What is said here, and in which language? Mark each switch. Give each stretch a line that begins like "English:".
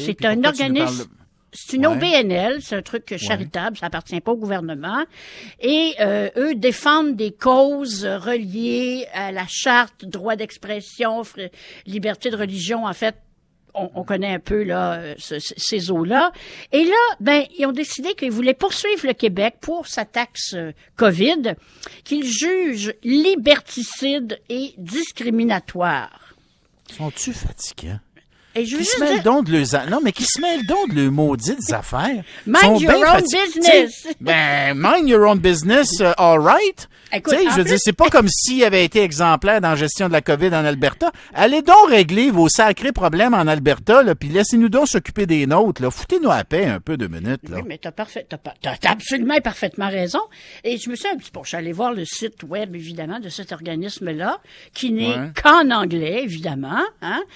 French: c'est un organisme, c'est une OBNL, c'est un truc charitable, ça appartient pas au gouvernement, et eux défendent des causes reliées à la charte, droit d'expression, liberté de religion, en fait, on connaît un peu là ces eaux-là, et là, ben, ils ont décidé qu'ils voulaient poursuivre le Québec pour sa taxe COVID, qu'ils jugent liberticide et discriminatoire. Sont-tu fatigués? Et je qui se mêle donc de leurs maudites affaires?
English: Mind your own business! Mind your own business, all right!
French: C'est pas comme s'il avait été exemplaire dans la gestion de la COVID en Alberta. Allez donc régler vos sacrés problèmes en Alberta, là, puis laissez-nous donc s'occuper des nôtres, là. Foutez-nous à paix un peu de minutes, là. Oui, mais t'as absolument parfaitement raison. Et je me suis un petit peu, je suis allé voir le site web, évidemment, de cet organisme-là, qui n'est qu'en anglais, évidemment, hein.